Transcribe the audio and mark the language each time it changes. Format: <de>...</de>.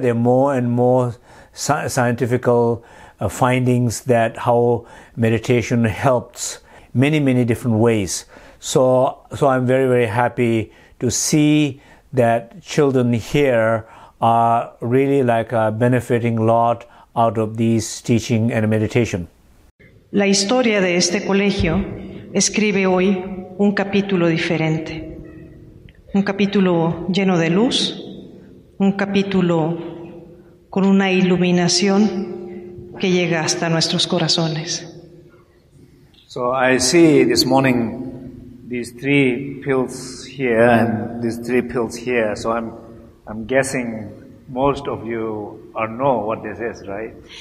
<en>There are more and more scientific findings that how meditation helps many, many different ways. So I'm very, very happy to see that children here are really like benefiting a lot out of these teaching and meditation.</en> <es>La historia de este colegio escribe hoy un capítulo diferente. Un capítulo lleno de luz, un capítulo con una iluminación que llega hasta nuestros corazones.</es> <en>So I see this morning these three pills here and these three pills here. So I'm guessing most of you are know what this is, right?</en>